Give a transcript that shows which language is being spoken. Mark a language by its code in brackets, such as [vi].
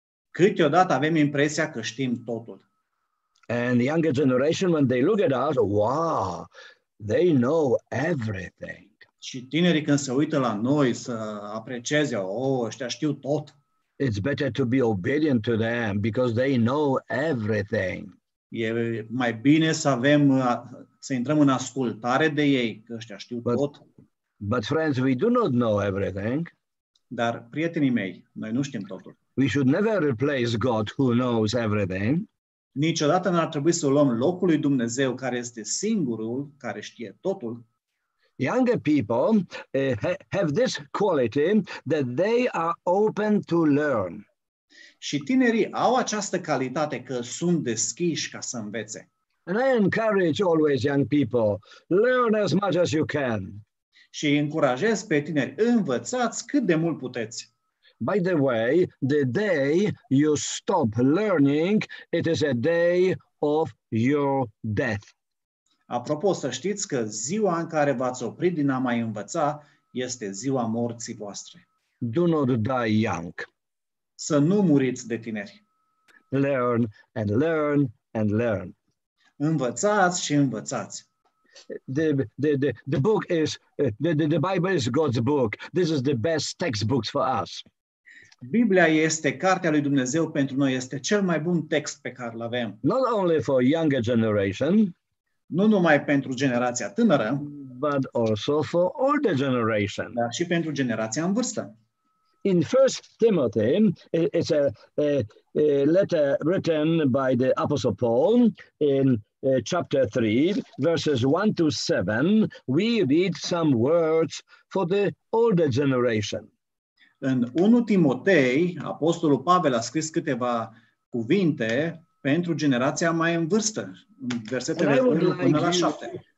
[ro] Câteodată avem impresia că știm totul. [en] And the younger generation, when they look at us, wow, they know everything. [ro] Și tinerii când se uită la noi să aprecieze, oh, ăștia știu tot. [en] It's better to be obedient to them because they know everything. [ro] E mai bine să avem, să intrăm în ascultare de ei, că ăștia știu tot. [en] But friends, we do not know everything. [ro] Dar, prietenii mei, noi nu știm totul. [en] We should never replace God who knows everything. [ro] Niciodată n-ar trebui să luăm locul lui Dumnezeu care este singurul care știe totul. [en] Younger people have this quality that they are open to learn. [ro] Și tinerii au această calitate că sunt deschiși ca să învețe. [en] And I encourage always young people, learn as much as you can. [ro] Și încurajez pe tineri, învățați cât de mult puteți. [en] By the way, the day you stop learning, it is a day of your death. [ro] Apropo, să știți că ziua în care v-ați oprit din a mai învăța este ziua morții voastre. [en] Do not die young. [ro] Să nu muriți de tineri. [en] Learn and learn and learn. [ro] Învățați și învățați. [en] The book is the Bible is God's book. This is the best textbook for us. [ro] Biblia este cartea lui Dumnezeu pentru noi, este cel mai bun text pe care l-avem. [en] Not only for younger generation. [ro] Nu numai pentru generația tânără, [en] but also for older generation. [ro] Dar și pentru generația în vârstă. [en] In 1 Timothy, it's a letter written by the Apostle Paul in chapter 3, verses 1 to 7, we read some words for the older generation. [ro] În 1 Timotei, Apostolul Pavel a scris câteva cuvinte pentru generația mai în vârstă, versetele 1 până la 7.